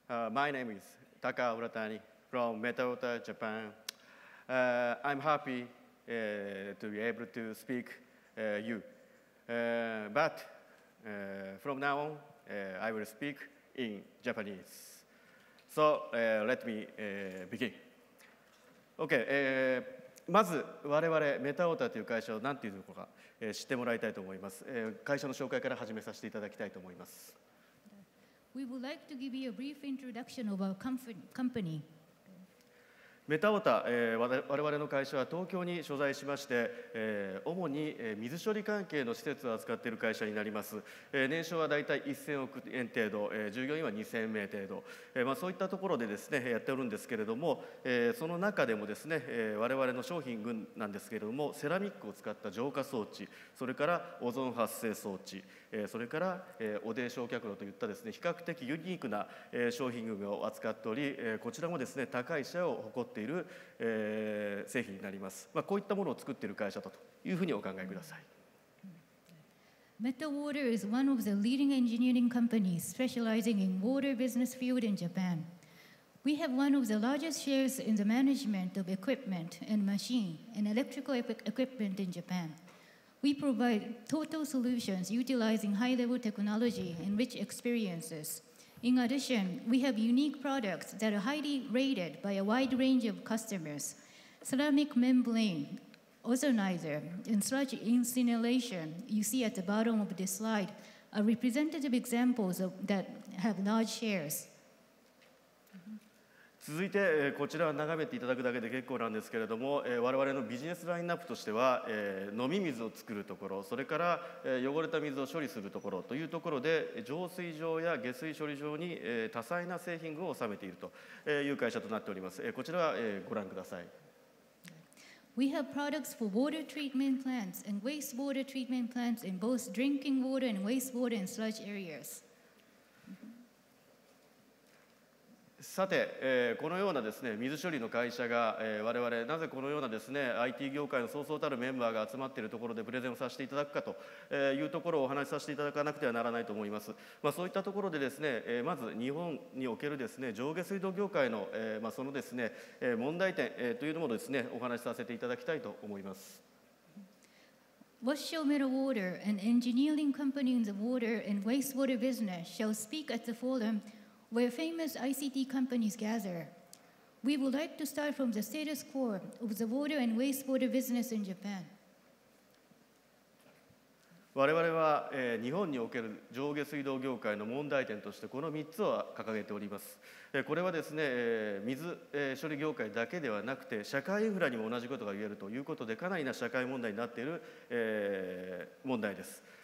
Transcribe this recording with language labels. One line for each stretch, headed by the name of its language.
English: My name is Taka Uratani from Meta Water Japan. I'm happy to be able to speak you. But from now on, I will speak in Japanese. So let me begin. Okay.
Japanese: まず我々メタオーターという会社を何ていうのか知ってもらいたいと思います。会社の紹介から始めさせていただきたいと思います。
English: We would like to give you a brief introduction of our company.
Japanese: メタオーター、我々の会社は東京に所在しまして、主に水処理関係の施設を扱っている会社になります。年商はだいたい1000億円程度、従業員は2000名程度、まあ、そういったところでですね、やっておるんですけれども、その中でもですね、我々の商品群なんですけれども、セラミックを使った浄化装置、それからオゾン発生装置、それから汚泥焼却炉といったですね、比較的ユニークな商品群を扱っており、こちらもですね、高いシェアを誇っている製品になります。まあ、こういったものを作っている会社だというふうにお考えください。
English: Meta Water is one of the leading engineering companies specializing in water business field in Japan. We have one of the largest shares in the management of equipment and machine and electrical equipment in Japan. We provide total solutions utilizing high-level technology and rich experiences. In addition, we have unique products that are highly rated by a wide range of customers. Ceramic membrane, ozonizer, and sludge incineration you see at the bottom of this slide are representative examples of, that have large shares.
Japanese: 続いてこちらは眺めていただくだけで結構なんですけれども、我々のビジネスラインナップとしては、飲み水を作るところ、それから汚れた水を処理するところというところで、浄水場や下水処理場に多彩な製品群を収めているという会社となっております。こちらはご覧ください。
English: We have products for water treatment plants and wastewater treatment plants in both drinking water and wastewater and sludge areas.
Japanese: さて、このようなですね、水処理の会社が、我々なぜこのようなですね、IT 業界のそうそうたるメンバーが集まっているところでプレゼンをさせていただくかというところをお話しさせていただかなくてはならないと思います。まあ、そういったところでですね、まず日本におけるですね、上下水道業界の、まあ、そのですね、問題点というのもですね、お話しさせていただきたいと思います。
English: Washo Meta Water, an engineering company in the water and wastewater business, shall speak at the forum. Where famous ICT companies gather. We would like to start from the status quo of the water and wastewater business in Japan.
Japanese: 我々は日本における上下水道業界の問題点としてこの3つを掲げております。これはですね、水処理業界だけではなくて社会インフラにも同じことが言えるということでかなりな社会問題になっている問題です。